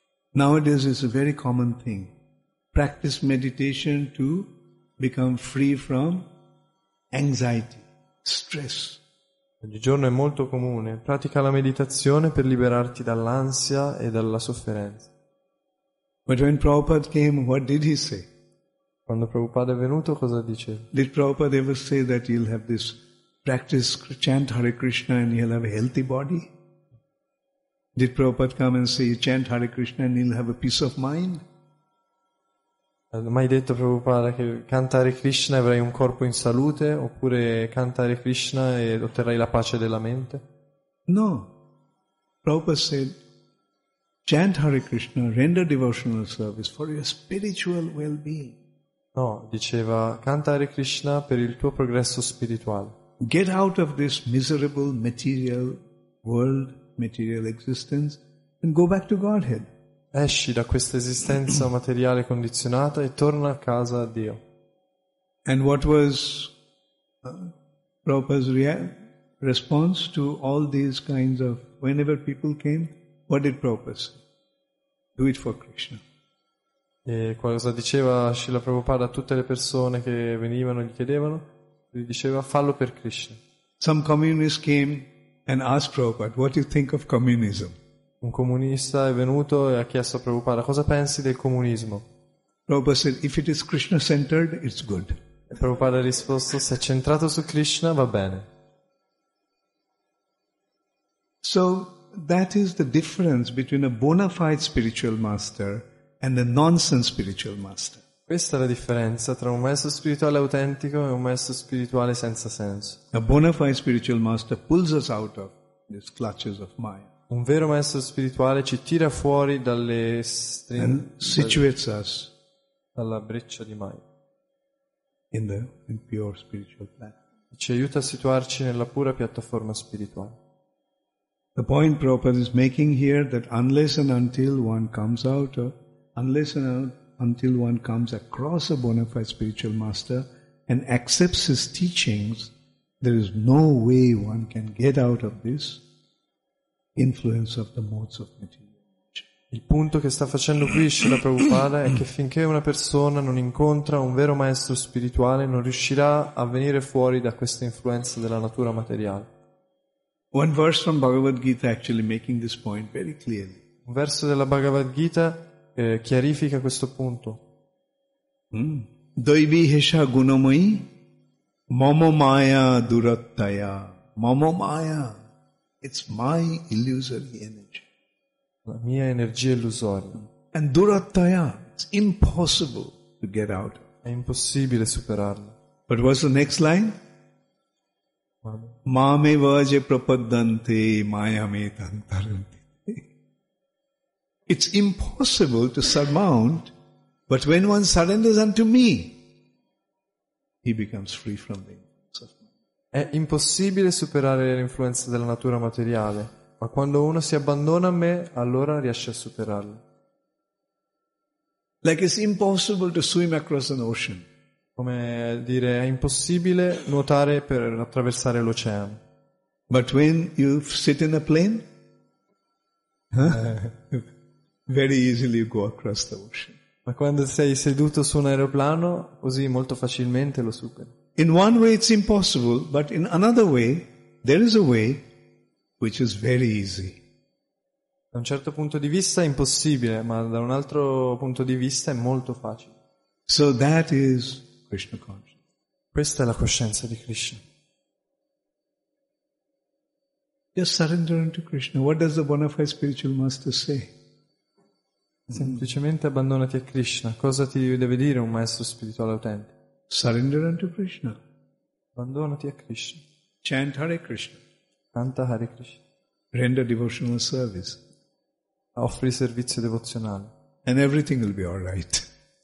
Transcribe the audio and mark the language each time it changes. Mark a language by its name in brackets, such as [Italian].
[English] Nowadays it's a very common thing. Practice meditation to become free from anxiety, stress. [Italian] Oggigiorno è molto comune. Pratica la meditazione per liberarti dall'ansia e dalla sofferenza. [English] But when Prabhupada came, what did he say? [Italian] Quando Prabhupada è venuto, cosa diceva? [English] Did Prabhupada ever say that you'll have this practice, chant Hare Krishna and you'll have a healthy body? Did Prabhupada come and say, chant Hare Krishna and you'll have a peace of mind? [Italian] Mai detto Prabhupada che canta Hare Krishna e avrai un corpo in salute, oppure canta Hare Krishna e otterrai la pace della mente? [English] No. Prabhupada said, chant Hare Krishna, render devotional service for your spiritual well-being. [Italian] No, diceva, canta Hare Krishna per il tuo progresso spirituale. [English] Get out of this miserable material world, material existence, and go back to Godhead. [Italian] Esci da questa esistenza materiale condizionata e torna a casa a Dio. [English] And what was Prabhupada's response to all these kinds of, whenever people came, what did Prabhupada say? Do it for Krishna. [Italian] E cosa diceva Srila Prabhupada a tutte le persone che venivano e gli chiedevano? Gli diceva, fallo per Krishna. [English] Some communists came and asked Prabhupada, what do you think of communism? [Italian] Un comunista è venuto e ha chiesto a Prabhupada, cosa pensi del comunismo? [English] Prabhupada said, if it is Krishna-centered, it's good. [Italian] E Prabhupada ha risposto, se è centrato su Krishna, va bene. [English] So, that is the difference between a bona fide spiritual master and a nonsense spiritual master. [Italian] Questa è la differenza tra un maestro spirituale autentico e un maestro spirituale senza senso. [English] A bona fide spiritual master pulls us out of these clutches of Maya. [Italian] Un vero maestro spirituale ci tira fuori dalle dalla breccia di Maya. [English] In pure spiritual plane. [Italian] Ci aiuta a situarci nella pura piattaforma spirituale. [English] The point Prabhupada is making here that unless and until one comes out of, unless and until one comes across a bona fide spiritual master and accepts his teachings, there is no way one can get out of this influence of the modes of material. [Italian] Il punto che sta facendo qui Srila Prabhupada è che finché una persona non incontra un vero maestro spirituale non riuscirà a venire fuori da questa influenza della natura materiale. [English] One verse from Bhagavad Gita actually making this point very clearly. [Italian] Un verso della Bhagavad Gita chiarifica questo punto. [Sanskrit] Daivi hesha gunamai mama maya durattaya. [English] Mama maya, it's my illusory energy. [Italian] La mia energia illusoria. [English] And durattaya, it's impossible to get out. [Italian] È impossibile superarla. [English] But what's the next line? [Sanskrit] Mame vaje prapaddante maya me tantarante. [English] It's impossible to surmount, but when one surrenders unto me, he becomes free from the influence of mind. [Italian] È impossibile superare l'influenza della natura materiale, ma quando uno si abbandona a me, allora riesce a superarla. [English] Like it's impossible to swim across an ocean. [Italian] Come dire, è impossibile nuotare per attraversare l'oceano. [English] But when you sit in a plane, very easily you go across the ocean. [Italian] Ma quando sei seduto su un aeroplano, così molto facilmente lo superi. [English] In one way it's impossible, but in another way there is a way which is very easy. [Italian] Da un certo punto di vista è impossibile, ma da un altro punto di vista è molto facile. [English] So that is Krishna consciousness. [Italian] Questa è la coscienza di Krishna. [English] Just surrender unto Krishna. What does the bona fide spiritual master say? [Italian] Semplicemente abbandonati a Krishna. Cosa ti deve dire un maestro spirituale autentico? [English] Surrender unto Krishna. [Italian] Abbandonati a Krishna. [English] Chant Hare Krishna. [Italian] Canta Hare Krishna. [English] Render devotional service. [Italian] Offri servizio devozionale. [English] And everything will be all right.